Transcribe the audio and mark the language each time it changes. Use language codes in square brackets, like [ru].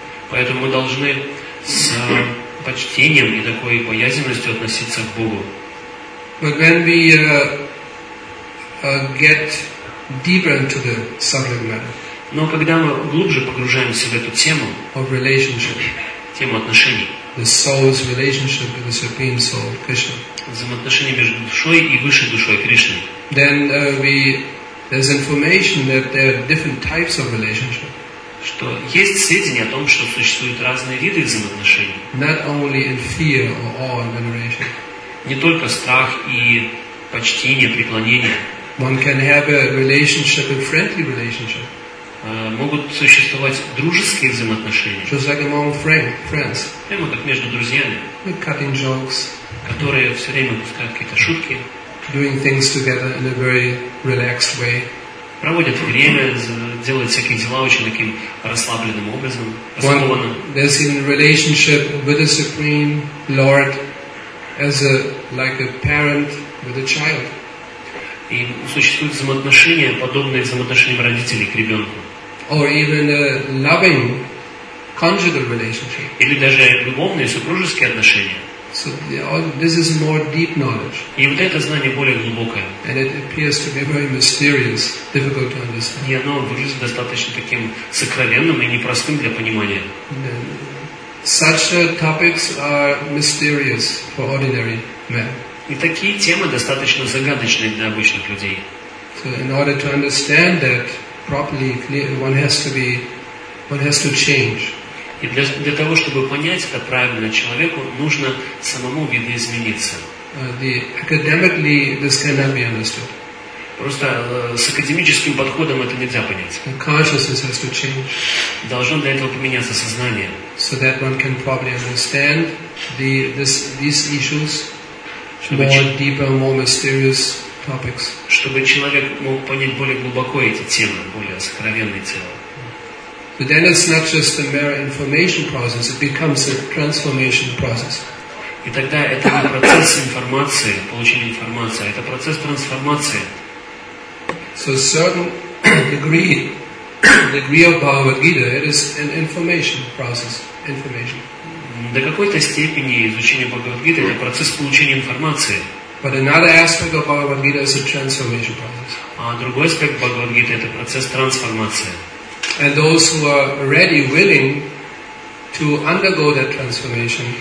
[ru] Поэтому мы должны с почтением и такой боязненностью относиться к Богу. [en] But when we get deeper into the subject matter, [ru] но когда мы глубже погружаемся в эту тему, [en] of relationship, [ru] тему отношений, [en] the soul's relationship with the Supreme Soul, Krishna, [ru] взаимоотношения между душой и высшей душой Кришны, [en] then there's information that there are different types of relationship. [ru] Что есть сведения о том, что существуют разные виды взаимоотношений. [en] Not only in fear or awe and veneration. [ru] Не только страх и почтение, преклонение. [en] One can have a relationship, a friendly relationship. [ru] Могут существовать дружеские взаимоотношения. [en] Just like among friends. [ru] Прямо как между друзьями. [en] Like cutting jokes. [ru] Которые все время пускают какие-то шутки. [en] Doing things together in a very relaxed way. [ru] Проводят время, делают всякие дела очень таким расслабленным образом, раскованным. [en] There's in relationship with the Supreme Lord as a like a parent with a child. [ru] И существуют взаимоотношения, подобные взаимоотношениям родителей к ребенку. [en] Or even a loving conjugal relationship. [ru] Или даже любовные супружеские отношения. [en] So this is more deep knowledge. [ru] И вот это знание более глубокое. [en] And it appears to be very mysterious, difficult to understand. [ru] И оно выглядит достаточно таким сокровенным и непростым для понимания. [en] Such topics are mysterious for ordinary men. [ru] И такие темы достаточно загадочные для обычных людей. [en] So in order to understand that properly, one has to change. [ru] И для того, чтобы понять это правильно человеку, нужно самому видоизмениться. [en] Academically, this cannot be understood. [ru] Просто с академическим подходом это нельзя понять. [en] The consciousness has to change. [ru] Должно для этого поменяться сознание. [en] So that one can properly understand these issues, deeper, more mysterious topics. [ru] Чтобы человек мог понять более глубоко эти темы, более сокровенные темы. [en] But then it's not just a mere information process, it becomes a transformation process. [ru] И тогда это не процесс информации, получения информации, а это процесс трансформации. [en] So a certain degree of Bhagavad Gita, it is an information process, information. [ru] До какой-то степени изучение Бхагавад Гиты это процесс получения информации. [en] But another aspect of Bhagavad Gita is a transformation process. [ru] А другой аспект Бхагавад Гиты это процесс трансформации. [en] And those who are ready, willing to undergo that transformation.